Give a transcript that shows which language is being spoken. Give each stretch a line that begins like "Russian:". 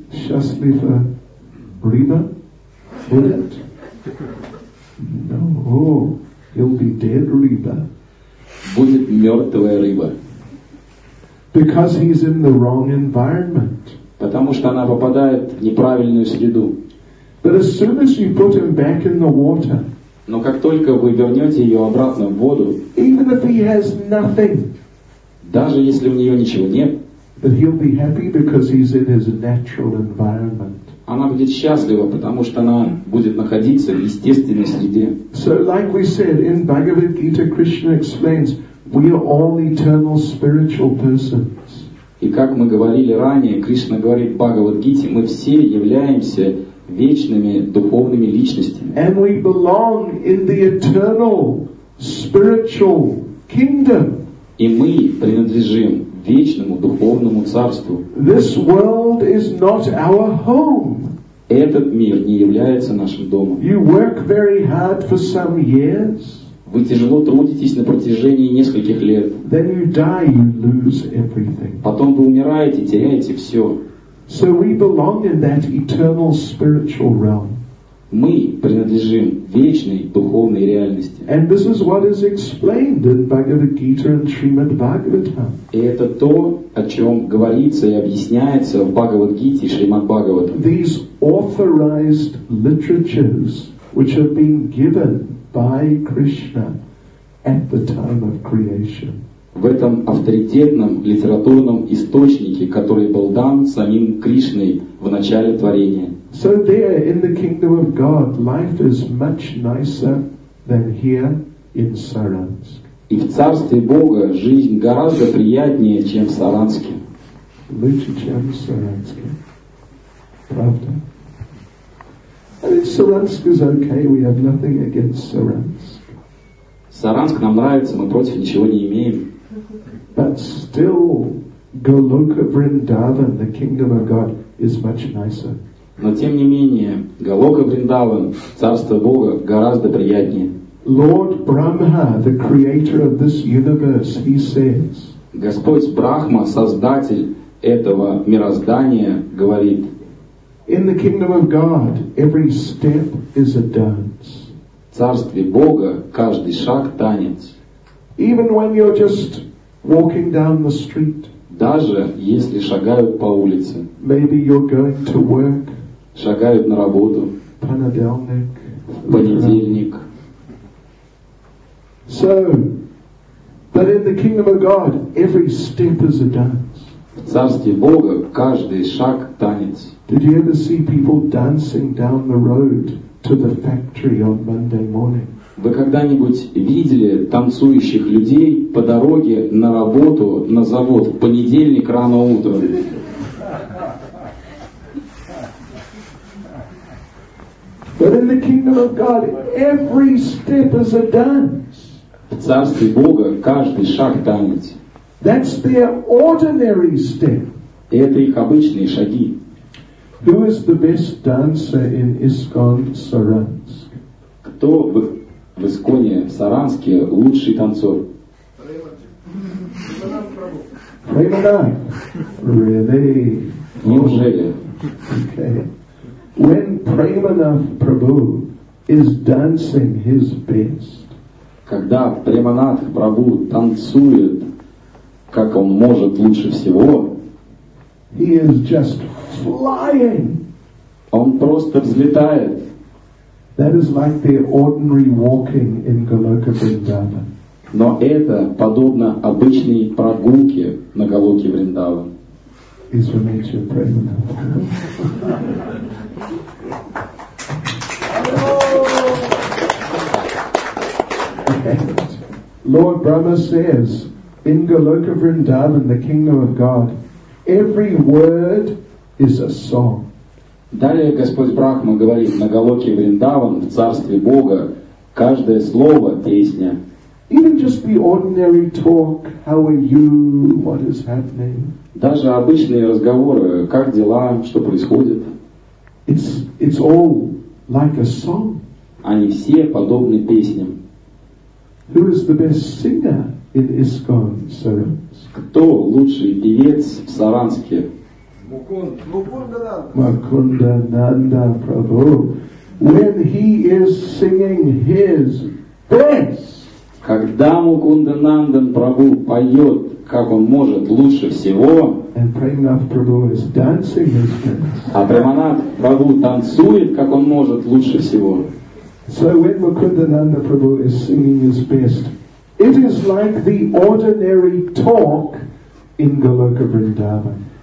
Russian: Счастлива рыба? Будет?
English: No. He'll be dead рыба.
Russian: Будет мертвая рыба.
English: Because he's in the wrong environment.
Russian: Потому что она попадает в неправильную среду.
English: But as soon as you put him back in the water,
Russian: но как только вы вернете ее обратно в воду,
English: even if he has nothing,
Russian: даже если у нее ничего нет,
English: he'll be happy because he's in his natural environment.
Russian: Она будет счастлива, потому что она будет находиться в естественной среде.
English: So, like we said, in Bhagavad Gita, Krishna explains, we are all eternal spiritual persons.
Russian: И как мы говорили ранее, Кришна говорит в Бхагавад-гите, мы все являемся вечными духовными личностями.
English: And we belong in the eternal spiritual kingdom.
Russian: И мы принадлежим вечному духовному царству.
English: This world is not our home.
Russian: Этот мир не является нашим домом.
English: You work very hard for some years.
Russian: Вы тяжело трудитесь на протяжении нескольких лет.
English: Then you die, you lose everything.
Russian: Потом вы умираете, теряете все.
English: So we belong in that eternal spiritual realm.
Russian: Мы принадлежим вечной духовной реальности.
English: And this is what is explained in Bhagavad Gita and Srimad Bhagavatam.
Russian: И это то, о чем говорится и объясняется в Бхагавад-гите и Шримад Бхагаватам.
English: These authorized literatures, which have been given by Krishna at the time of creation.
Russian: В этом авторитетном литературном источнике, который был дан самим Кришной в начале творения.
English: So there, in the kingdom of God, life is much nicer than here in Saransk.
Russian: И в царстве Бога жизнь гораздо приятнее, чем в Саранске. Лучше, чем в Саранске. Правда?
English: I mean, Saransk is okay, we have nothing against Saransk.
Russian: Саранск нам нравится, мы против ничего не имеем.
English: But still, Goloka Vrindavan, the kingdom of God, is much nicer.
Russian: Но тем не менее, Голока Вриндаван, царство Бога, гораздо приятнее.
English: Lord Brahma, the creator of this universe, he says.
Russian: Господь Брахма, создатель этого мироздания, говорит.
English: In the kingdom of God, every step is a dance.
Russian: В царстве Бога каждый шаг танец.
English: Even when you're just walking down the street.
Russian: Даже если шагают по улице.
English: Maybe you're going to work.
Russian: Шагают на работу. Понедельник. Понедельник.
English: So, but in the kingdom of God, every step is a dance.
Russian: В царстве Бога каждый шаг танец.
English: Did you ever see people dancing down the road to the factory on Monday morning?
Russian: Вы когда-нибудь видели танцующих людей по дороге на работу, на завод в понедельник рано утром?
English: But in the kingdom of God, every step is a dance.
Russian: В царстве Бога каждый шаг танец.
English: That's their ordinary step.
Russian: Это их обычные шаги.
English: Who is the best dancer in ISKCON Saransk?
Russian: Кто в ИСККОНе в Саранске лучший танцор?
English: Really?
Russian: Неужели?
English: Okay. When Premanath Prabhu is dancing his best.
Russian: Когда Преманатх Прабху танцует как он может лучше всего,
English: he is just flying.
Russian: Он просто взлетает.
English: That is like their ordinary walking in Goloka Vrindavan.
Russian: Но это подобно обычной прогулке на Голоке Вриндаван.
English: Is for nature Premanath. Lord Brahma says, in Goloka Vrindavan, the kingdom of God, every word is a song.
Russian: Далее Господь Брахма говорит, на Голоке Вриндаван, в царстве Бога, каждое слово — песня.
English: Even just the ordinary talk, how are you, what is happening?
Russian: Даже обычные разговоры, как дела, что происходит?
English: It's all like a song.
Russian: Они все подобны песням.
English: Who is the best singer in ISKCON Saransk?
Russian: Кто лучший певец в Саранске?
English: Mukunda Nanda Prabhu. When he is singing his best.
Russian: Когда Mukunda Nanda Prabhu поет, как он может лучше всего.
English: And Premanath Prabhu is dancing his best.
Russian: А Преманат Прабху танцует, как он может лучше всего.
English: So when Mukunda Nanda Prabhu is singing his best, it is like the ordinary talk in Goloka Vrindavan.